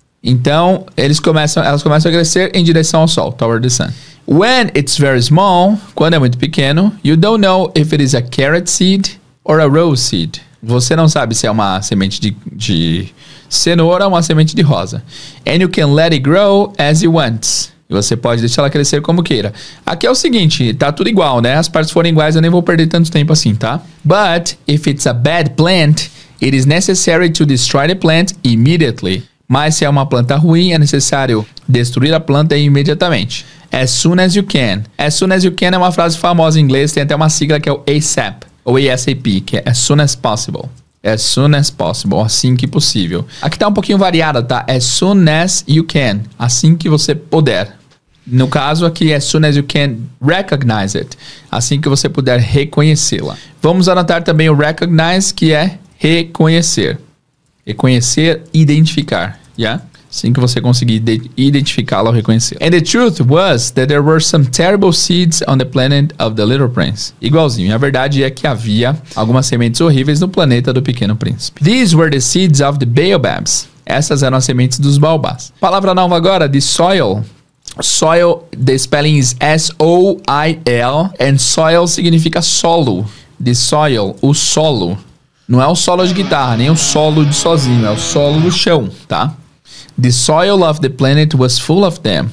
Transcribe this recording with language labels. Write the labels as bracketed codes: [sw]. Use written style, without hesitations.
[pt] Então, elas começam a crescer em direção ao sol. [en] Toward the sun. When it's very small, [pt] quando é muito pequeno, [en] you don't know if it is a carrot seed or a rose seed. [pt] Você não sabe se é uma semente de cenoura ou uma semente de rosa. [en] And you can let it grow as you want. [pt] E você pode deixar ela crescer como queira. Aqui é o seguinte, tá tudo igual, né? As partes forem iguais, eu nem vou perder tanto tempo assim, tá? [en] But if it's a bad plant, it is necessary to destroy the plant immediately. [pt] Mas se é uma planta ruim, é necessário destruir a planta imediatamente. [en] As soon as you can. [pt] As soon as you can é uma frase famosa em inglês, tem até uma sigla que é o ASAP. Ou ASAP, que é [en] as soon as possible. [pt] As soon as possible, assim que possível. Aqui tá um pouquinho variada, tá? [en] As soon as you can, [pt] assim que você puder. No caso aqui é [en] soon as you can recognize it. [pt] Assim que você puder reconhecê-la. Vamos anotar também o recognize, que é reconhecer. Reconhecer, identificar. Yeah? Assim que você conseguir identificá-la ou reconhecê-la. [en] And the truth was that there were some terrible seeds on the planet of the Little Prince. [pt] Igualzinho. E a verdade é que havia algumas sementes horríveis no planeta do Pequeno Príncipe. [en] These were the seeds of the baobabs. [pt] Essas eram as sementes dos baobás. Palavra nova agora, the soil. [en] Soil, the spelling is S-O-I-L. [pt] And soil significa solo. The soil, o solo. Não é o solo de guitarra, nem o solo de sozinho. É o solo do chão, tá? [en] The soil of the planet was full of them.